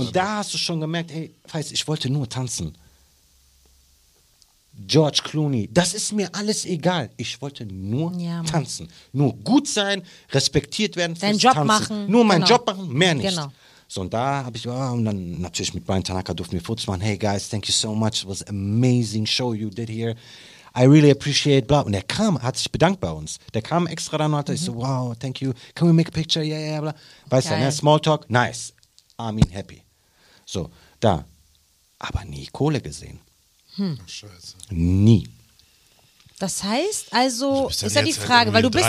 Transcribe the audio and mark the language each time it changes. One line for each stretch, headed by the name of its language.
German: Und da hast du schon gemerkt, hey, weiß, ich wollte nur tanzen. George Clooney, das ist mir alles egal. Ich wollte nur tanzen. Nur gut sein, respektiert werden fürs Tanzen. Deinen Job tanzen. Machen. Nur meinen Job machen, mehr nicht. Genau. So, und da habe ich, und dann natürlich mit Brian Tanaka durften wir Fotos machen.
English: Hey guys, thank you so much. It was an amazing show you did here. I really appreciate, bla.
German: Und er kam, hat sich bedankt bei uns. Der kam extra dann und hat ich so,
English: wow, thank you. Can we make a picture? Yeah, bla.
German: Weißt du, ne?
English: Smalltalk, nice. I mean happy.
German: So, da. Aber nie Kohle gesehen. Scheiße. Nie. Das heißt, also, ist ja die Frage, weil du bist ja.